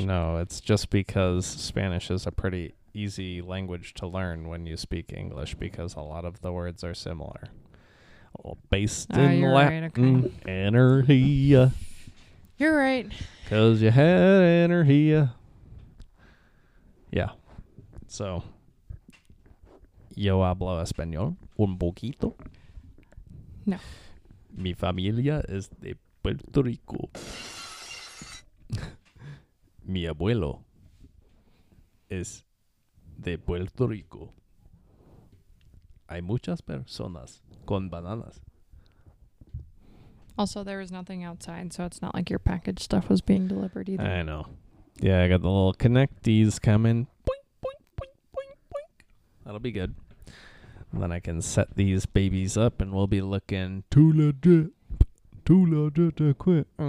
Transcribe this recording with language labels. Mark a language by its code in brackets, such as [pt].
[en] No, it's just because Spanish is a pretty... easy language to learn when you speak English because a lot of the words are similar. Well, based in Latin, right, okay. [es] Energía. [en] You're right. Because you had energía. Yeah. [es] So, yo hablo español un poquito. [en] No. [es] Mi familia es de Puerto Rico. Mi abuelo es... de Puerto Rico. Hay muchas personas con bananas. [en] Also, there was nothing outside, so it's not like your package stuff was being delivered either. I know. Yeah, I got the little connectees coming. Boink, boink, boink, boink, boink. That'll be good. And then I can set these babies up and we'll be looking too legit to quit.